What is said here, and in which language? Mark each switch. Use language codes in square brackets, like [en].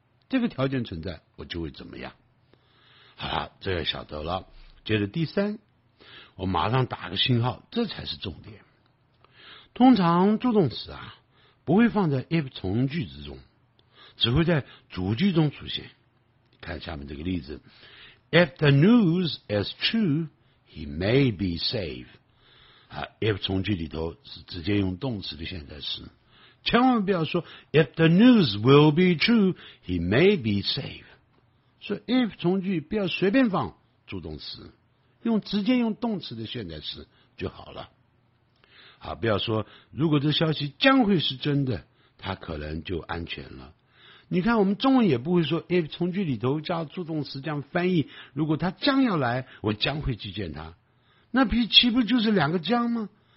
[zh] 这个条件存在，我就会怎么样。好了，这个晓得了。接着第三，我马上打个信号，这才是重点。通常助动词啊，不会放在 if 从句之中，只会在主句中出现。看下面这个例子 [en] ，If the news is true, he may be safe。 [zh] 啊 ，if 从句里头是直接用动词的现在时，千万不要说 [en] If the news will be true, he may be safe。 [zh] 所以 if 从句不要随便放助动词，用直接用动词的现在时就好了。啊，不要说如果这消息将会是真的，他可能就安全了。你看我们中文也不会说 if 从句里头加助动词这样翻译，如果他将要来，我将会去见他，那岂不就是两个将吗？